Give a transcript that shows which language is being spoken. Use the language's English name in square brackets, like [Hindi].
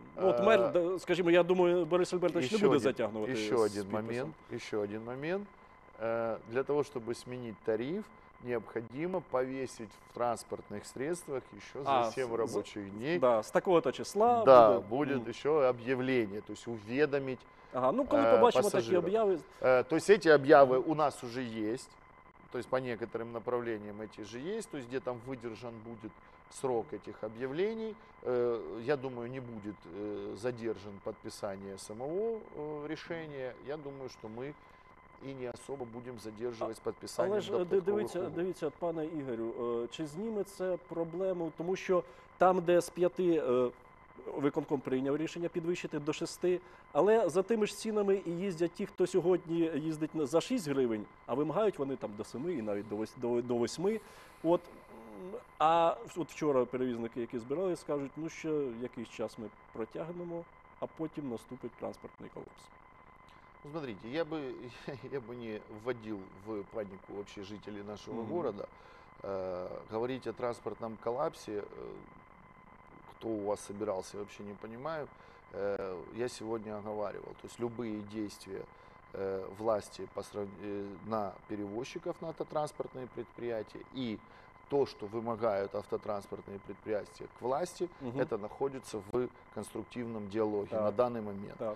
[Ukrainian] Ну, от мер, скажімо, я думаю, Борис Альбертович не буде затягувати. Ще один момент. [Russian] Для того, чтобы сменить тариф, необходимо повесить в транспортных средствах еще за 7 рабочих дней. Да, с такого-то числа. Да, будет еще объявление, то есть уведомить пассажиров. [Ukrainian] Ага, ну, коли побачимо такі об'яви. [Russian] То есть эти об'яви у нас уже есть, то есть по некоторым направлениям эти же есть, то есть где там выдержан будет срок этих объявлений, я думаю, не будет задержан подписание самого решения, я думаю, что мы і не особо будемо задержувати підписання. [Ukrainian] Але ж дивіться, пане Ігорю, чи зніме це проблему, тому що там, де з 5 виконком прийняв рішення підвищити до 6, але за тими ж цінами і їздять ті, хто сьогодні їздить за 6 гривень, а вимагають вони там до 7 і навіть до 8. От, а от вчора перевізники, які збирали, скажуть, ну ще якийсь час ми протягнемо, а потім наступить транспортний колапс. [Russian] Смотрите, я бы не вводил в панику вообще жителей нашего города. Говорить о транспортном коллапсе, кто у вас собирался, я вообще не понимаю. Я сегодня оговаривал, то есть любые действия власти на перевозчиков на автотранспортные предприятия и то, что вымогают автотранспортные предприятия к власти, это находится в конструктивном диалоге на данный момент.